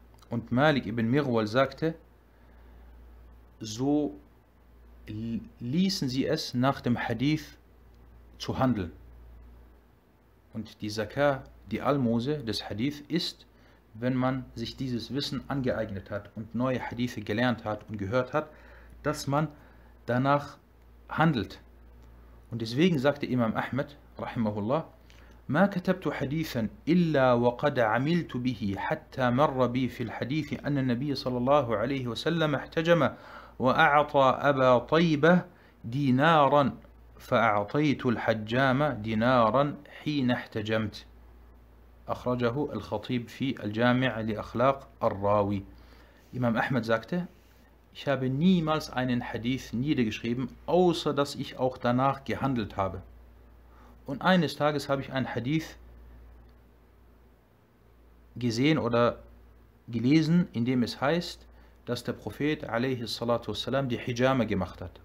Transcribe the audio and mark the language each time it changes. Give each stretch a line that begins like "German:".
German: Und Malik ibn Mirwal sagte, so ließen sie es nach dem Hadith zu handeln. Und die Zakat, die Almose des Hadith, ist, wenn man sich dieses Wissen angeeignet hat und neue Hadithe gelernt hat und gehört hat, dass man danach handelt. Und deswegen sagte Imam Ahmed, rahimahullah,
Arabic: ما كتبت حديثا إلا وقد عملت به حتى مر بي في الحديث أن النبي صلى الله عليه وسلم احتجم وأعطى أبا طيبة دينارا فأعطيت الحجام دينارا حين احتجمت. أخرجه الخطيب في الجامع لأخلاق الراوي.
German: Imam Ahmed sagte, ich habe niemals einen Hadith niedergeschrieben, außer dass ich auch danach gehandelt habe. Und eines Tages habe ich einen Hadith gesehen oder gelesen, in dem es heißt, dass der Prophet alaihi salatu wasalam die Hijama gemacht hat.